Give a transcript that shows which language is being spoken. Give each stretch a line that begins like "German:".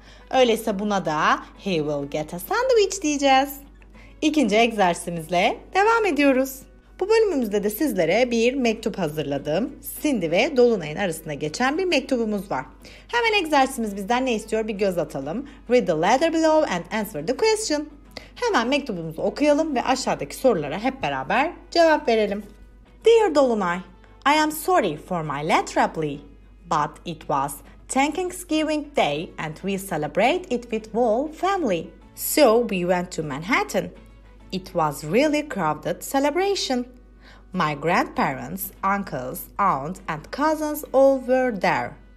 Turkish: Öyleyse buna da
English: he will get a sandwich
Turkish: diyeceğiz. İkinci egzersizimizle devam ediyoruz. Bu bölümümüzde de sizlere bir mektup hazırladım. Cindy ve Dolunay'ın arasında geçen bir mektubumuz var. Hemen egzersizimiz bizden ne istiyor bir göz atalım.
English: Read the letter below and answer the question.
Turkish: Hemen mektubumuzu okuyalım ve aşağıdaki sorulara hep beraber cevap verelim.
English: Dear Dolunay, I am sorry for my letter ugly, but it was Thanksgiving Day and we celebrate it with whole family. So we went to Manhattan. It was really crowded celebration. My grandparents, uncles, aunt and cousins all were there.